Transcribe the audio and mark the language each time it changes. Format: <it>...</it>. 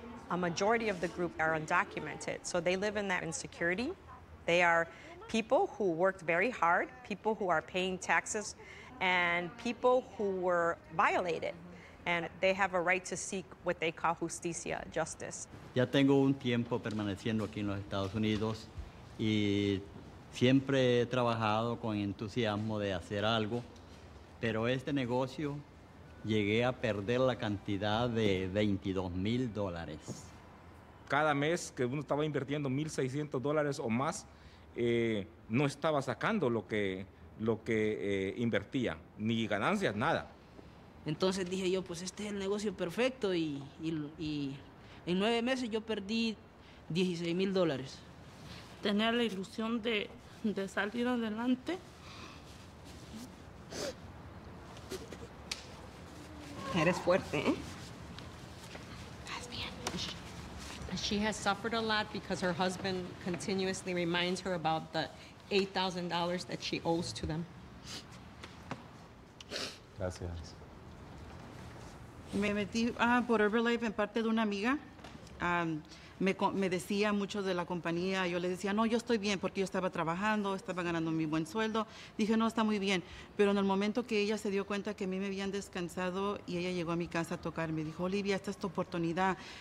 <en>A majority of the group are undocumented. So they live in that insecurity. They are people who worked very hard, people who are paying taxes, and people who were violated. And they have a right to seek what they call justicia, justice.</en> <es>Ya tengo un tiempo permaneciendo aquí en los Estados Unidos. Y siempre he trabajado con entusiasmo de hacer algo, pero este negocio llegué a perder la cantidad de $22,000. Cada mes que uno estaba invirtiendo $1,600 o más, no estaba sacando lo que invertía, ni ganancias, nada. Entonces dije yo, pues este es el negocio perfecto y en 9 meses yo perdí $16,000. Tenía la ilusión de salir adelante. Eres fuerte, ¿eh? Estás bien.</es> <en>She has suffered a lot because her husband continuously reminds her about the $8,000 that she owes to them.</en> <es>Gracias. Me metí por Herbalife en parte de una amiga. Me decía mucho de la compañía, yo le decía, no, yo estoy bien, porque yo estaba trabajando, estaba ganando mi buen sueldo. Dije, no, está muy bien. Pero en el momento que ella se dio cuenta que a mí me habían descansado y ella llegó a mi casa a tocarme, dijo, Olivia, esta es tu oportunidad.</es>